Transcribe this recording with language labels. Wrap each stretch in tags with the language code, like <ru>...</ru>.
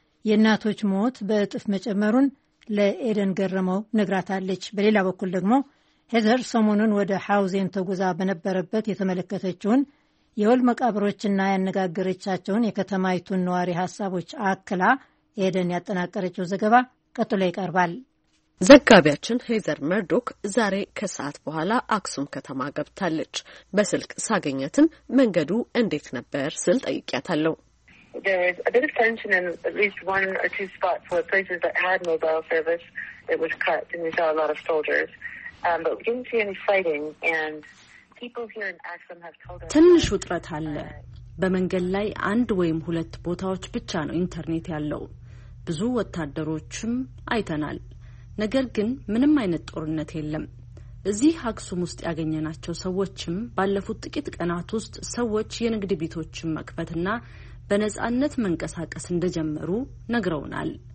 <am>የእናቶች ሞት በእጥፍ መጨመሩን ለኤደን ገረመው ነግራታለች። በሌላ በኩል ደግሞ ሄዘር ሰሞኑን ወደ ሐውዜን ተጉዛ በነበረበት የተመለከተችውን የወል መቃብሮችና ያነጋገረቻቸውን የከተማይቱን ነዋሪ ሐሳቦች አክላ ኤደን ያጠናቀረችው ዘገባ ቀጥሎ ይቀርባል። ዘጋቢያችን ሄዘር መርዶክ ዛሬ ከሰዓት በኋላ አክሱም ከተማ ገብታለች። በስልክ ሳገኛትም መንገዱ እንዴት ነበር ስል ጠይቄያታለሁ።</am> <en>There was a bit of tension in at least one or two spots where places that had mobile service it was cut and we saw a lot of soldiers. But we didn't see any fighting and people here in Aksum have told us</en> <am>ትንሽ ውጥረት አለ። በመንገድ ላይ አንድ ወይም ሁለት ቦታዎች ብቻ ነው ኢንተርኔት ያለው። ብዙ ወታደሮችም አይተናል። ነገር ግን ምንም አይነት ጦርነት የለም። እዚህ አክሱም ውስጥ ያገኘናቸው ሰዎችም ባለፉት ጥቂት ቀናት ውስጥ ሰዎች የንግድ ቤቶችን መክፈትና በነጻነት መንቀሳቀስ እንደጀመሩ ነግረውናል።</am>